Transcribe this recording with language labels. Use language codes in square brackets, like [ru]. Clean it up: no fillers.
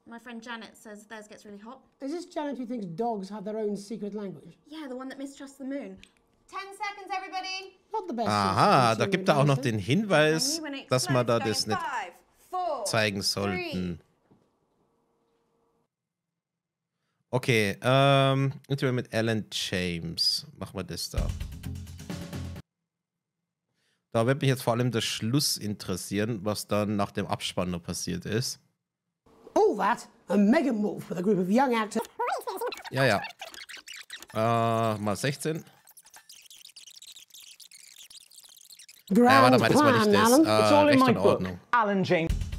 [en] My friend Janet says theirs gets really hot. Is this Janet who thinks dogs have their own secret language? Yeah, the one that mistrusts the moon. 10 seconds, everybody! Not the best. [de] Aha, da gibt er auch noch den Hinweis, dass man da das nicht zeigen sollten. Okay, Interview mit Alan James. Machen wir das da. Da wird mich jetzt vor allem der Schluss interessieren, was dann nach dem Abspann noch passiert ist. [en] All that, a mega move with a group of young actors. [de] Ja, ja. Mal 16. [en] Grand [de] warte mal, das war nicht das. Recht in Ordnung. Alan James.